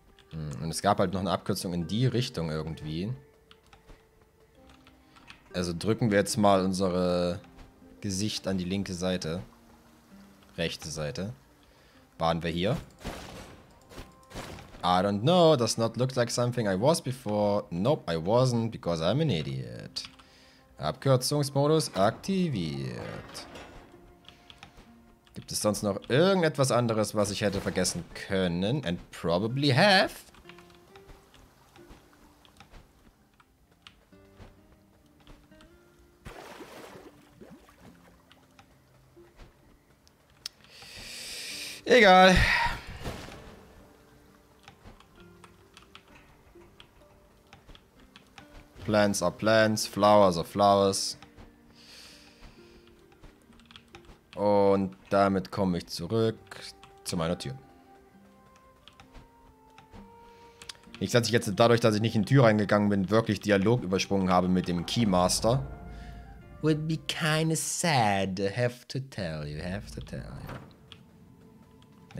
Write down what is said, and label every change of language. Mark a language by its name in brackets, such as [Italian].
[German] Und es gab halt noch eine Abkürzung in die Richtung irgendwie. Also drücken wir jetzt mal unsere Gesicht an die linke Seite. Rechte Seite. Waren wir hier? [English] I don't know, does not look like something I was before. Nope, I wasn't, because I'm an idiot. [German] Abkürzungsmodus aktiviert. Gibt es sonst noch irgendetwas anderes, was ich hätte vergessen können? [English] And probably have. [German] Egal. [English] Plants are plants, flowers are flowers. [German] Und damit komme ich zurück zu meiner Tür. Nicht, dass ich jetzt dadurch, dass ich nicht in die Tür reingegangen bin, wirklich Dialog übersprungen habe mit dem Keymaster. [English] Would be kind of sad to have to tell you, have to tell you.